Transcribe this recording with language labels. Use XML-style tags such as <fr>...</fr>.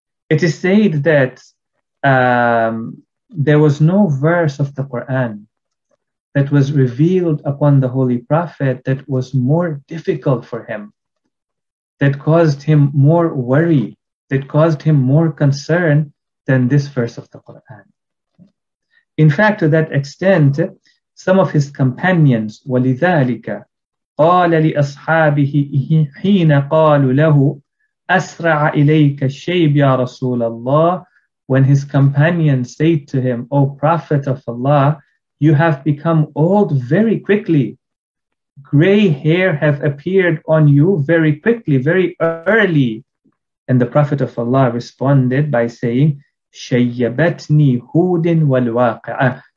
<en>It is said that there was no verse of the Quran that was revealed upon the Holy Prophet that was more difficult for him, that caused him more worry, that caused him more concern than this verse of the Quran. In fact, to that extent, some of his companions,</en> <ar>وَلِذَٰلِكَ قَالَ لِأَصْحَابِهِ حِينَ قَالُوا لَهُ أَسْرَعَ إِلَيْكَ الشَّيْبِ يَا رَسُولَ اللَّهِ.</ar> <en>When his companions say to him, O Prophet of Allah, you have become old very quickly. Gray hair have appeared on you very quickly, very early. And the Prophet of Allah responded by saying,</en> <ar>شَيَّبَتْنِي هُودٍ وَالْوَاقِعَةِ.</ar>